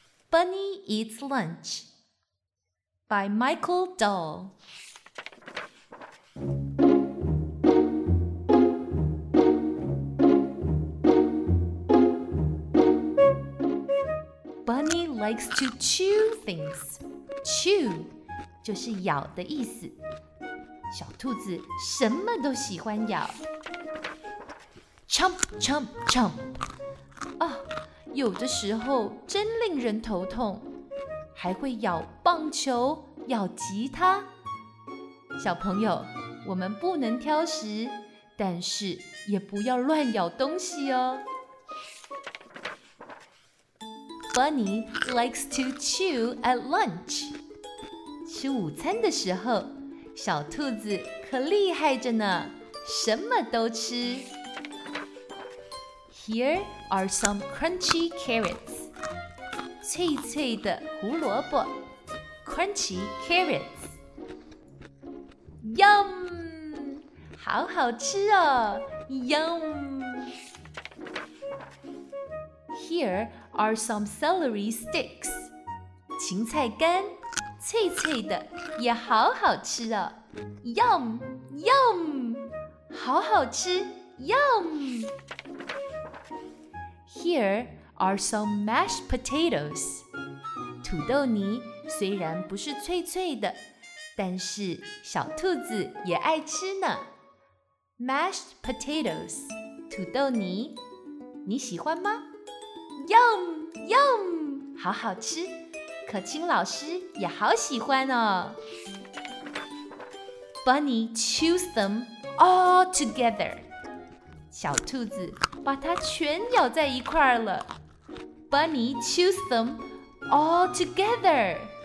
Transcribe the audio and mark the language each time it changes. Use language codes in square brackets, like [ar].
[en] Bunny Eats Lunch by Michael Dull. Bunny likes to chew things. [zh] Chew 就是咬的意思。小兔子什么都喜欢咬。 [en] Chomp, chomp, chomp. [zh] 啊，有的时候真令人头痛，还会咬棒球，咬吉他。小朋友，我们不能挑食，但是也不要乱咬东西哦。 [en] Bunny likes to chew at lunch. [zh] 吃午餐的时候，小兔子可厉害着呢，什么都吃。 [en] Here are some crunchy carrots. [zh] 脆脆的胡萝卜。 [en] Crunchy carrots. Yum! [zh] 好好吃哦。 [en] Yum! Here are some celery sticks. [zh] 芹菜干。脆脆的也好好吃哦。 [en] Yum! Yum! [zh] 好好吃。 [en] Yum! Here are some mashed potatoes. [zh] 土豆泥虽然不是脆脆的，但是小兔子也爱吃呢。 [en] Mashed potatoes, [zh] 土豆泥，你喜欢吗？ [en] Yum, yum, [zh] 好好吃，可卿老师也好喜欢哦。 [en] Bunny chews them all together. [zh] 小兔子把它全咬在一块儿了。 [en] Bunny chews them all together.